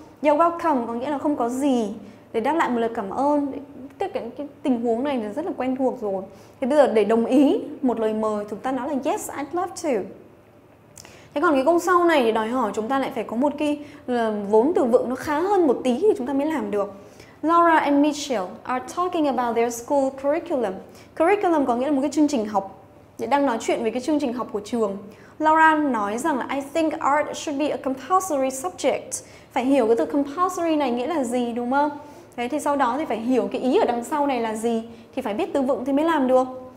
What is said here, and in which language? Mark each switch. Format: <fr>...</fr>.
<en>You're welcome</en> <vi>có nghĩa là không có gì, để đáp lại một lời cảm ơn. Tức là cái tình huống này rất là quen thuộc rồi. Thế bây giờ để đồng ý một lời mời, chúng ta nói là</vi> <en>yes, I'd love to.</en> <vi>Thế còn cái câu sau này thì đòi hỏi chúng ta lại phải có một cái vốn từ vựng nó khá hơn một tí thì chúng ta mới làm được.</vi> <en>Laura and Mitchell are talking about their school curriculum.</en> <vi>Curriculum có nghĩa là một cái chương trình học. Thì đang nói chuyện về cái chương trình học của trường.</vi> <en>Laura</en> <vi>nói rằng là</vi> <en>I think art should be a compulsory subject.</en> <vi>Phải hiểu cái từ compulsory này nghĩa là gì, đúng không? Thế thì sau đó thì phải hiểu cái ý ở đằng sau này là gì, thì phải biết từ vựng thì mới làm được.</vi>